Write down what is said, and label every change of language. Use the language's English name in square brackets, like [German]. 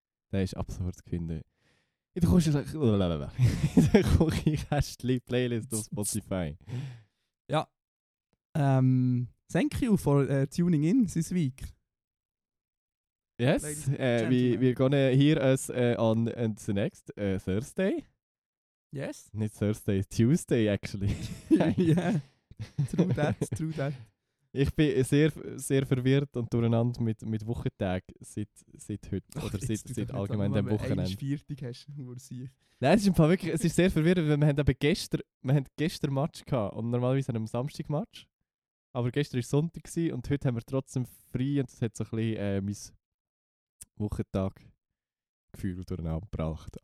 [German] Der ist absurd zu finden. In der Küchenkästchen Playlist auf Spotify. Ja. [English] Thank you for tuning in this week. Yes, we're gonna hear us on and the next Thursday. Yes. Not Thursday, Tuesday actually. Yeah, true that, true that. [German] Ich bin sehr, sehr verwirrt und durcheinander mit Wochentagen seit heute. Ach, oder seit allgemein dem Wochenende. Wenn du eine Viertig hast, wo du siehst. Nein, es ist einfach wirklich, es ist sehr verwirrend, weil wir haben gestern Match gehabt und normalerweise haben wir am Samstag Match. Aber gestern war Sonntag und heute haben wir trotzdem frei und es hat so ein bisschen mein Wochentag-Gefühl durcheinander gebracht.